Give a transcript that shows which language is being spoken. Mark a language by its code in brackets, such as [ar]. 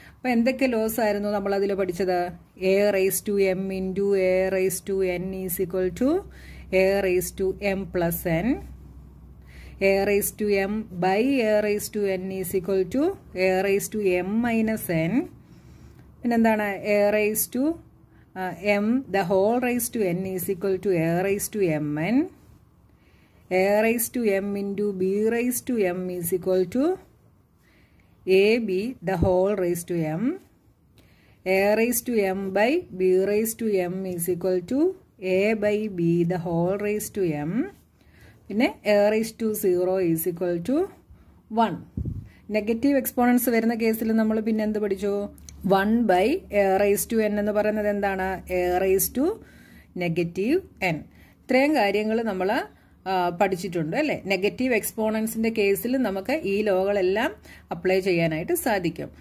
[ml] അപ്പൊ എന്തൊക്കെ ലോസ് ആയിരുന്നു നമ്മൾ അതിൽ പഠിച്ചത്, [en] a raise to m into a raise to n is equal to a raise to m plus n, a raise to m by a raise to n is equal to a raise to m minus n, [ml] പിന്നെന്താണ് [en] A raise to m the whole raised to n is equal to a raised to mn. A raised to m into b raised to m is equal to ab the whole raised to m. A raised to m by b raised to m is equal to a by b the whole raised to m. [ml] പിന്നെ [en] A raise to zero is equal to one. [ml] Negative exponents വരുന്ന കേസിൽ നമ്മൾ പിന്നെ എന്ത് പഠിച്ചു? [en] one by a raise to n [ml] എന്ന് പറയുന്നത് എന്താണ്? [en] A raise to negative n. [ml] ഇത്രയും കാര്യങ്ങൾ നമ്മൾ പഠിച്ചിട്ടുണ്ട് അല്ലേ. നെഗറ്റീവ് എക്സ്പോണൻസിൻ്റെ കേസിൽ നമുക്ക് ഈ ലോകളെല്ലാം അപ്ലൈ ചെയ്യാനായിട്ട് സാധിക്കും.